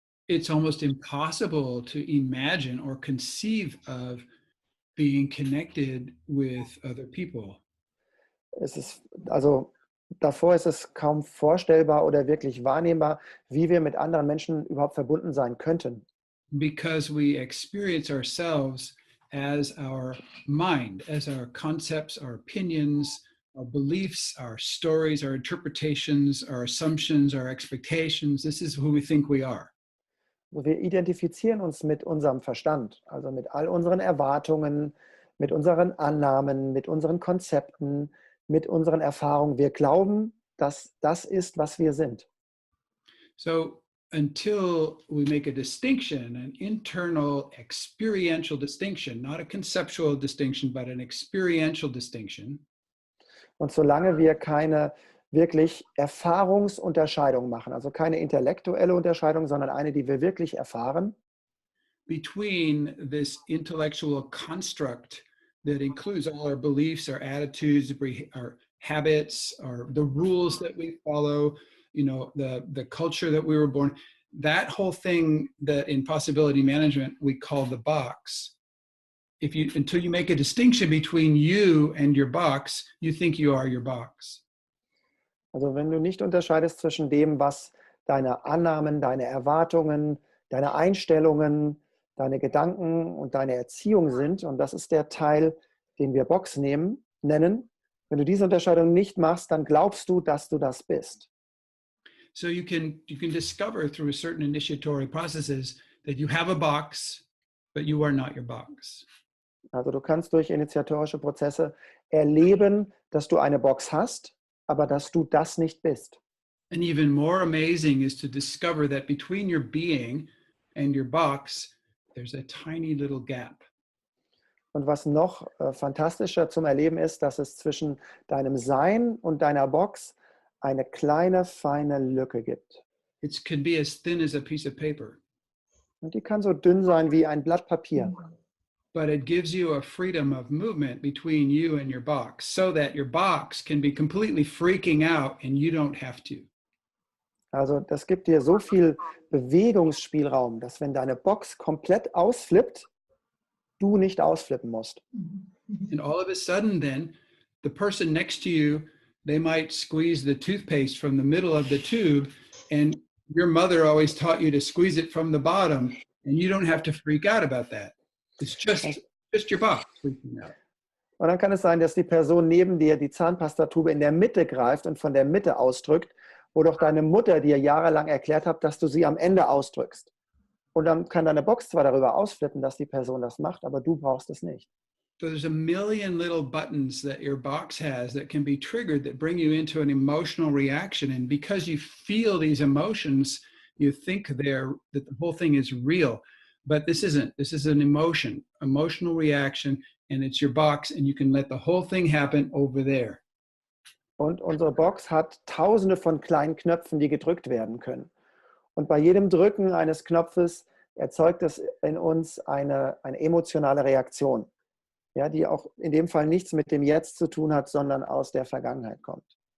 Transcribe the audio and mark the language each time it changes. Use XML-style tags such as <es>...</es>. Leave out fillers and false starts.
<en>It's almost impossible to imagine or conceive of being connected with other people.</en> <de>Es ist, also davor ist es kaum vorstellbar oder wirklich wahrnehmbar, wie wir mit anderen Menschen überhaupt verbunden sein könnten.</de> <en>Because we experience ourselves as our mind, as our concepts, our opinions, our beliefs, our stories, our interpretations, our assumptions, our expectations. This is who we think we are.</en> <de>Wir identifizieren uns mit unserem Verstand, also mit all unseren Erwartungen, mit unseren Annahmen, mit unseren Konzepten, mit unseren Erfahrungen. Wir glauben, dass das ist, was wir sind.</de> <en>So, until we make a distinction, an internal experiential distinction, not a conceptual distinction, but an experiential distinction.</en> <de>Und solange wir keine wirklich Erfahrungsunterscheidung machen, also keine intellektuelle Unterscheidung, sondern eine, die wir wirklich erfahren.</de> <en>Between this intellectual construct that includes all our beliefs, our attitudes, our habits, our the rules that we follow, you know, the culture that we were born, that whole thing that in possibility management we call the box. Until you make a distinction between you and your box, you think you are your box.</en> <de>Also wenn du nicht unterscheidest zwischen dem, was deine Annahmen, deine Erwartungen, deine Einstellungen, deine Gedanken und deine Erziehung sind, und das ist der Teil, den wir Box nennen, wenn du diese Unterscheidung nicht machst, dann glaubst du, dass du das bist.</de> <en>So you can discover through certain initiatory processes that you have a box, but you are not your box.</en> <de>Also du kannst durch initiatorische Prozesse erleben, dass du eine Box hast, aber dass du das nicht bist.</de> <en>And even more amazing is to discover that between your being and your box, there's a tiny little gap.</en> <de>Und was noch fantastischer zum Erleben ist, dass es zwischen deinem Sein und deiner Box eine kleine, feine Lücke gibt.</de> <en>It can be as thin as a piece of paper.</en> <de>Und die kann so dünn sein wie ein Blatt Papier.</de> <en>But it gives you a freedom of movement between you and your box, so that your box can be completely freaking out and you don't have to.</en> <de>Also das gibt dir so viel Bewegungsspielraum, dass wenn deine Box komplett ausflippt, du nicht ausflippen musst.</de> <en>And all of a sudden then, the person next to you, they might squeeze the toothpaste from the middle of the tube and your mother always taught you to squeeze it from the bottom and you don't have to freak out about that. It's just your box freaking out.</en> <de>Und dann kann es sein, dass die Person neben dir die Zahnpastatube in der Mitte greift und von der Mitte ausdrückt, wo doch deine Mutter dir jahrelang erklärt hat, dass du sie am Ende ausdrückst. Und dann kann deine Box zwar darüber ausflippen, dass die Person das macht, aber du brauchst es nicht.</de> <en>So there's a million little buttons that your box has that can be triggered that bring you into an emotional reaction. And because you feel these emotions, you think that the whole thing is real. But this isn't. This is an emotion, emotional reaction, and it's your box, and you can let the whole thing happen over there.</en> <de>Und unsere Box hat tausende von kleinen Knöpfen, die gedrückt werden können. Und bei jedem Drücken eines Knopfes erzeugt es in uns eine emotionale Reaktion, ja, die auch in dem Fall nichts mit dem Jetzt zu tun hat, sondern aus der Vergangenheit kommt.</de>